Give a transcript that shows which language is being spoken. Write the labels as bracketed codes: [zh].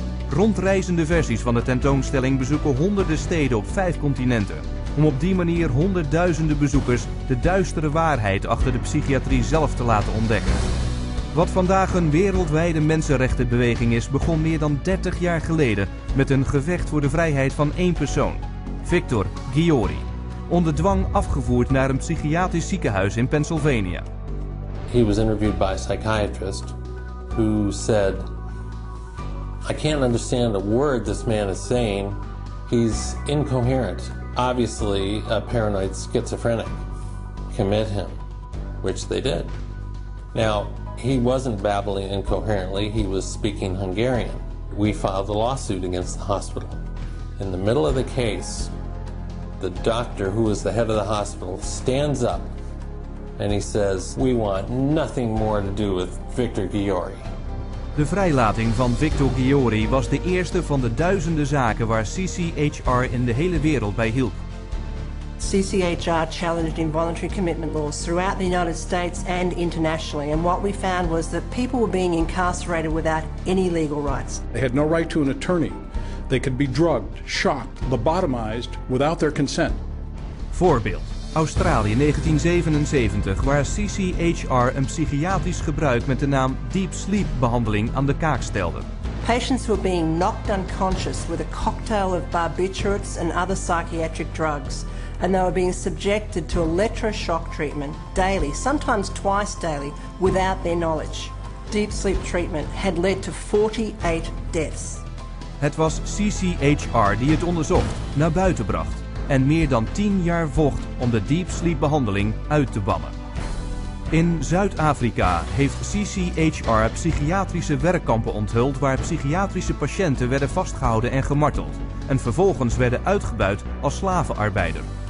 [nl] Rondreizende versies van de tentoonstelling bezoeken honderden steden op 5 continenten, om op die manier honderdduizenden bezoekers de duistere waarheid achter de psychiatrie zelf te laten ontdekken. Wat vandaag een wereldwijde mensenrechtenbeweging is, begon meer dan 30 jaar geleden met een gevecht voor de vrijheid van één persoon, Victor Ghiori, onder dwang afgevoerd naar een psychiatrisch ziekenhuis in Pennsylvania. [en] He was interviewed by a psychiatrist who said, I can't understand a word this man is saying. He's incoherent. Obviously a paranoid schizophrenic. Commit him. Which they did. Now, he wasn't babbling incoherently, he was speaking Hungarian. We filed a lawsuit against the hospital. In the middle of the case, the doctor, who was the head of the hospital, stands up and he says, we want nothing more to do with Victor Ghiori. [nl] De vrijlating van Victor Ghiori was de eerste van de duizenden zaken waar CCHR in de hele wereld bij hielp. [en] CCHR challenged involuntary commitment laws throughout the United States and internationally. And what we found was that people were being incarcerated without any legal rights. They had no right to an attorney. They could be drugged, shot, lobotomized without their consent. [nl] Voorbeeld. Australië 1977, waar CCHR een psychiatrisch gebruik met de naam deep sleep behandeling aan de kaak stelde. [en] Patients were being knocked unconscious with a cocktail of barbiturates and other psychiatric drugs. And they were being subjected to electroshock treatment daily, sometimes twice daily, without their knowledge. Deep sleep treatment had led to 48 deaths. [nl] Het was CCHR die het onderzocht, naar buiten bracht en meer dan 10 jaar vocht om de deep sleep behandeling uit te bannen. In Zuid-Afrika heeft CCHR psychiatrische werkkampen onthuld waar psychiatrische patiënten werden vastgehouden en gemarteld en vervolgens werden uitgebuit als slavenarbeider.